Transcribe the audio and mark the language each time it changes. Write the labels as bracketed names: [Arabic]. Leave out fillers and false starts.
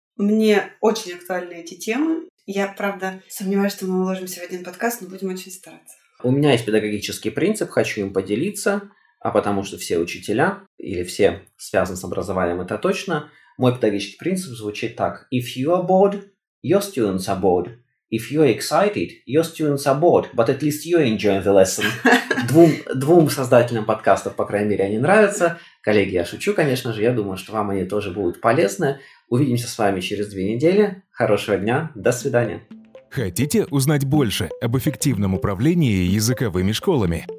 [Russian] Мне очень актуальны эти темы. Я, правда, сомневаюсь, что мы уложимся в один подкаст, но будем очень стараться. У меня есть педагогический принцип, хочу им поделиться, а потому что все учителя или все связаны с образованием, это точно. Мой педагогический принцип звучит так. [English] If you are bored, your students are bored. If you are excited, your students are bored, but at least you enjoy the lesson. [Russian] Двум создателям подкастов, по крайней мере, они нравятся. Коллеги, я шучу, конечно же, я думаю, что вам они тоже будут полезны. Увидимся с вами через 2 недели. Хорошего дня. До свидания. Хотите узнать больше об эффективном управлении языковыми школами?